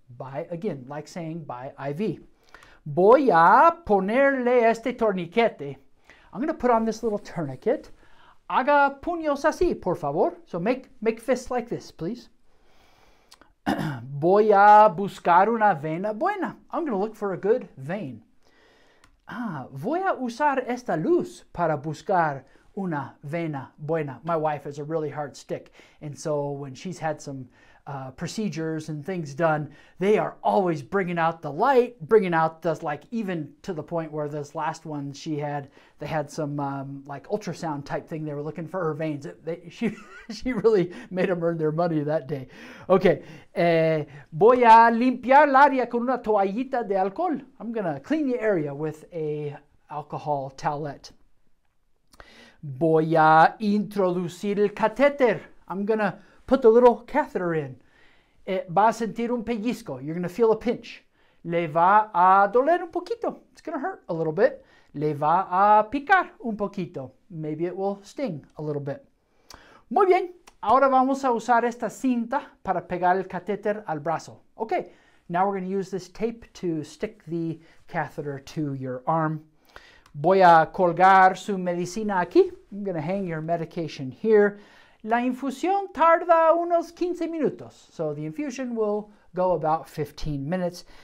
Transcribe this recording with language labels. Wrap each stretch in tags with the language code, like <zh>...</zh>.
<en>By, again, like saying by IV.</en> <es>Voy a ponerle este torniquete.</es> <en>I'm going to put on this little tourniquet.</en> <es>Haga puños así, por favor.</es> <en>So make fists like this, please.</en> <es>Voy a buscar una vena buena.</es> <en>I'm going to look for a good vein.</en> <es>Voy a usar esta luz para buscar una vena buena.</es> <en>My wife is a really hard stick, and so when she's had some procedures and things done, they are always bringing out the light, bringing out this, like, even to the point where this last one she had, they had some like ultrasound type thing. They were looking for her veins. She really made them earn their money that day. Okay.</en> <es>Voy a limpiar el área con una toallita de alcohol.</es> <en>I'm going to clean the area with a alcohol towelette.</en> <es>Voy a introducir el catéter.</es> <en>I'm going to put the little catheter in.</en> <es>Va a sentir un pellizco.</es> <en>You're going to feel a pinch.</en> <es>Le va a doler un poquito.</es> <en>It's going to hurt a little bit.</en> <es>Le va a picar un poquito.</es> <en>Maybe it will sting a little bit.</en> <es>Muy bien. Ahora vamos a usar esta cinta para pegar el catéter al brazo.</es> <en>Okay. Now we're going to use this tape to stick the catheter to your arm.</en> <es>Voy a colgar su medicina aquí.</es> <en>I'm going to hang your medication here.</en> <es>La infusión tarda unos 15 minutos.</es> <en>So the infusion will go about 15 minutes.</en>